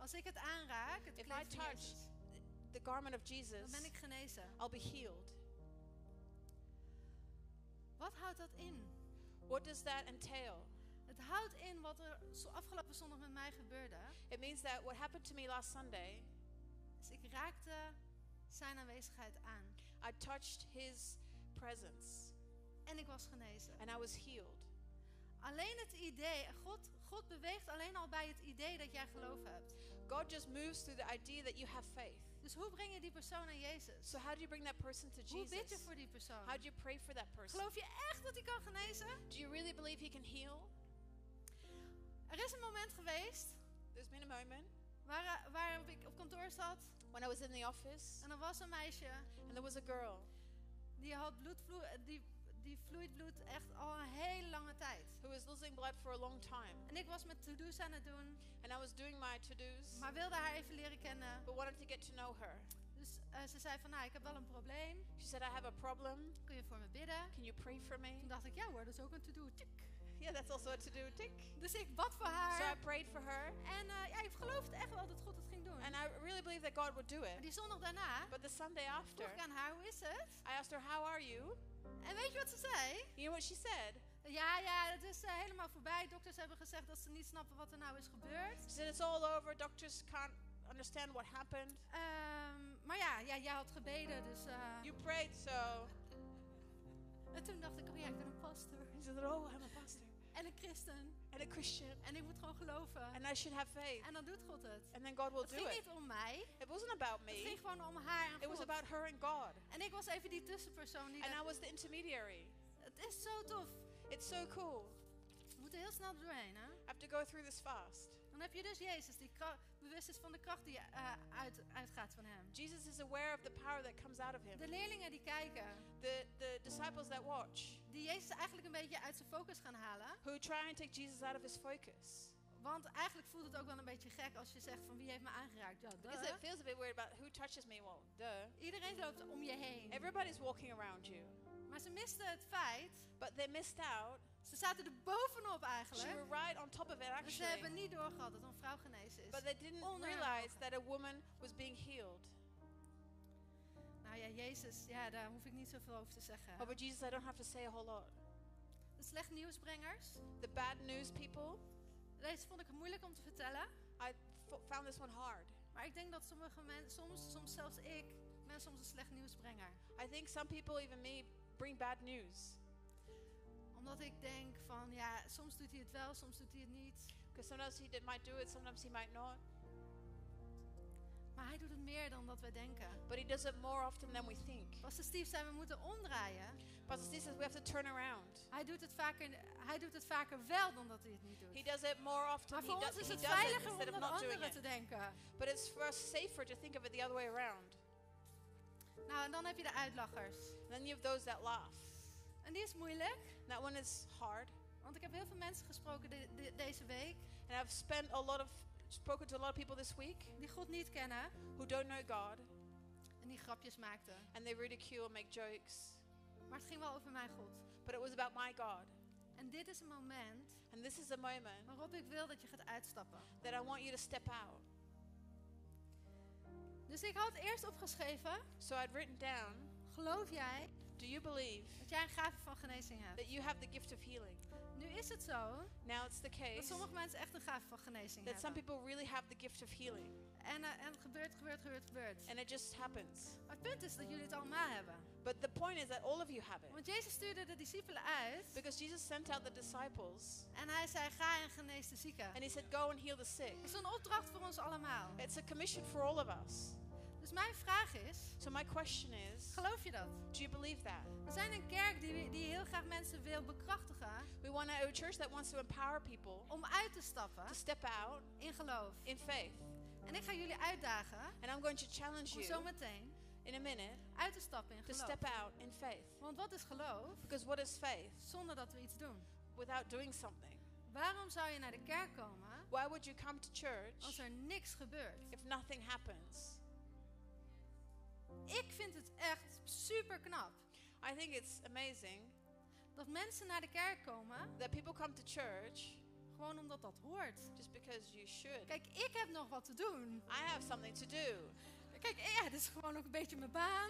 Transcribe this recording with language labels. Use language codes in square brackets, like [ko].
[nl] Als ik het aanraak, het kleed van Jezus. [en] If I touch the garment of Jesus. [nl] Dan ben ik genezen. [en] I'll be healed. [nl] Wat houdt dat in? [en] What does that entail? [nl] Het houdt in wat er afgelopen zondag met mij gebeurde. [en] It means that what happened to me last Sunday. [nl] Is ik raakte zijn aanwezigheid aan. [en] I touched his presence. [nl] En ik was genezen. [en] And I was healed. [nl] Alleen het idee, God beweegt alleen al bij het idee dat jij geloof hebt. [en] God just moves through the idea that you have faith. [nl] Dus hoe breng je die persoon naar Jezus? [en] So how do you bring that person to Jesus? [nl] Hoe bid je voor die persoon? [en] How do you pray for that person? [nl] Geloof je echt dat hij kan genezen? [en] Do you really believe he can heal? [nl] Er is een moment geweest. [en] There's been a moment. [nl] Waar ik op kantoor zat. [en] When I was in the office. [nl] En er was een meisje. [en] And there was a girl. [nl] Die had die vloeit bloed echt al een hele lange tijd. [en] Who was losing blood for a long time. [nl] En ik was mijn to-do's aan het doen. [en] And I was doing my to-do's. [nl] Maar wilde haar even leren kennen. [en] But wanted to get to know her. [nl] Dus ze zei van, nou, ik heb wel een probleem. [en] She said, I have a problem. [nl] Kun je voor me bidden? [en] Can you pray for me? [nl] Toen dacht ik, ja hoor, dat is ook een to-do. [en] Tick. Yeah, that's also a to-do. Tick. [nl] Dus ik bad voor haar. [en] So I prayed for her. [nl] En ik geloofde echt wel dat God het ging doen. [en] And I really believed that God would do it. [nl] Maar die zondag daarna. [en] But the Sunday after. [nl] Vroeg ik aan haar, hoe is het? [en] I asked her, how are you? [nl] En weet je wat ze zei? [en] You know what she said? [nl] Ja, het is helemaal voorbij. Dokters hebben gezegd dat ze niet snappen wat er nou is gebeurd. [en] She said it's all over. Doctors can't understand what happened. [nl] Maar ja, jij had gebeden, dus. [en] You prayed, so. [nl] En toen dacht ik, oh ja, ik ben een pastor. [en] She said, oh, I'm a pastor. [nl] En een christen. [en] And a Christian. [nl] En ik moet gewoon geloven. [en] And I should have faith. [nl] En dan doet God het. [en] And then God will [nl] het [en] do it. [nl] Het ging niet om mij. [en] It wasn't about me. [nl] Het ging gewoon om haar en God. [en] It was about her and God. [nl] En ik was even die tussenpersoon. [en] And I was the intermediary. [nl] Het is zo tof. [en] It's so cool. [nl] We moeten heel snel doorheen, hè? [en] I have to go through this fast. [nl] Dan heb je dus Jezus, die bewust is van de kracht die uitgaat van hem. [en] Jesus is aware of the power that comes out of him. [nl] De leerlingen die kijken. [en] The disciples that watch. [nl] Die Jezus eigenlijk een beetje uit zijn focus gaan halen. [en] Who try and take Jesus out of his focus. [nl] Want eigenlijk voelt het ook wel een beetje gek als je zegt van wie heeft me aangeraakt? Ja, [en] because it feels a bit weird about who touches me. Well, duh. [nl] Iedereen loopt om je heen. [en] Everybody's walking around you. [nl] Maar ze misten het feit. [en] But they missed out. [nl] Ze zaten er bovenop eigenlijk. [en] She were right on top of it actually. [nl] Maar ze hebben niet doorgehad dat een vrouw genezen is. [en] But they didn't realize that a woman was being healed. [nl] Nou ja, Jezus, ja, daar hoef ik niet zoveel over te zeggen. [en] But with Jesus, I don't have to say a whole lot. [nl] De slecht nieuwsbrengers. [en] The bad news people. [nl] Deze vond ik moeilijk om te vertellen. [en] I found this one hard. [nl] Maar ik denk dat sommige mensen, soms zelfs ik, ben soms een slecht nieuwsbrenger. [en] I think some people, even me, bring bad news. [nl] Omdat ik denk van, ja, soms doet hij het wel, soms doet hij het niet. [en] Because sometimes he might do it, sometimes he might not. [nl] Maar hij doet het meer dan dat we denken. [en] But he does it more often than we think. [nl] Pastor Steve zei, we moeten omdraaien. [en] Pastor Steve says, we have to turn around. [nl] Hij doet het vaker wel dan dat hij het niet doet. [en] He does it more often. [nl] Maar voor ons is het veiliger om dan anderen te denken. [en] But it's for us safer to think of it the other way around. [nl] Nou, en dan heb je de uitlachers. [en] Then you have those that laugh. [nl] En die is moeilijk. [en] That one is hard. [nl] Want ik heb heel veel mensen gesproken deze week. [en] And I've spoken to a lot of people this week. [nl] Die God niet kennen. [en] Who don't know God. [nl] En die grapjes maakten. [en] And they ridicule and make jokes. [nl] Maar het ging wel over mijn God. [en] But it was about my God. [nl] En dit is een moment. [en] And this is a moment. [nl] Waarop ik wil dat je gaat uitstappen. [en] That I want you to step out. [nl] Dus ik had eerst opgeschreven. [en] So I'd written down. [nl] Geloof jij? [en] Do you believe? [nl] Dat jij een gave van genezing hebt. [en] That you have the gift of healing. [nl] Nu is het zo. [en] Now it's the case. [nl] Dat sommige mensen echt een gave van genezing hebben. [en] That some people really have the gift of healing. [nl] En gebeurt. [en] And it just happens. [nl] Maar het punt is dat jullie het allemaal hebben. [en] But the point is that all of you have it. [nl] Want Jezus stuurde de discipelen uit. [en] Because Jesus sent out the disciples. [nl] En hij zei, ga en genees de zieken. [en] And he said, go and heal the sick. [nl] Het is een opdracht voor ons allemaal. [en] It's a commission for all of us. [nl] Dus mijn vraag is, [en] so my question is, [nl] geloof je dat? [en] Do you believe that? [nl] We zijn een kerk die heel graag mensen wil bekrachtigen. [en] We want a church that wants to empower people. [nl] Om uit te stappen. [en] To step out. [nl] In geloof. [en] In faith. [nl] En ik ga jullie uitdagen. [en] And I'm going to challenge you. [nl] Om zo meteen. [en] In a minute. [nl] Uit te stappen in geloof. [en] To step out in faith. [nl] Want wat is geloof? [en] Because what is faith? [nl] Zonder dat we iets doen. [en] Without doing something. [nl] Waarom zou je naar de kerk komen? [en] Why would you come to church? [nl] Als er niks gebeurt. [en] If nothing happens. [nl] Ik vind het echt super knap. [en] I think it's amazing. [nl] Dat mensen naar de kerk komen. [en] That people come to church. [nl] Gewoon omdat dat hoort. [en] Just because you should. [nl] Kijk, ik heb nog wat te doen. [en] I have something to do. [nl] Kijk, ja, dit is gewoon ook een beetje mijn baan.